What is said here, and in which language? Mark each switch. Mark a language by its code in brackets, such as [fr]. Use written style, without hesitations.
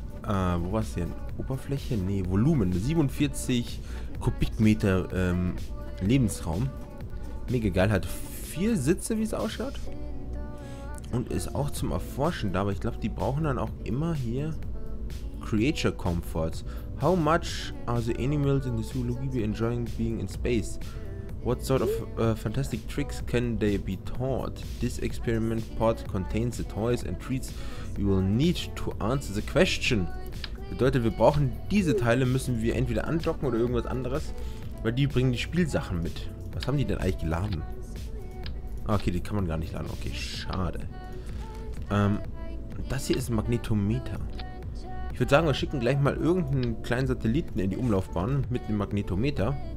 [de] wo war es denn? Oberfläche? Nee, Volumen. 47 Kubikmeter Lebensraum. Mega geil, hat... 4 Sitze, wie es ausschaut. Und ist auch zum Erforschen da. Aber ich glaube, die brauchen dann auch immer hier Creature Comforts. [en] How much are the animals in the zoology be enjoying being in space? What sort of fantastic tricks can they be taught? This experiment pod contains the toys and treats you will need to answer the question. [de] Bedeutet, wir brauchen diese Teile, müssen wir entweder andocken oder irgendwas anderes. Weil die bringen die Spielsachen mit. Was haben die denn eigentlich geladen? Okay, die kann man gar nicht laden. Okay, schade. Das hier ist ein Magnetometer. Ich würde sagen, wir schicken gleich mal irgendeinen kleinen Satelliten in die Umlaufbahn mit einem Magnetometer.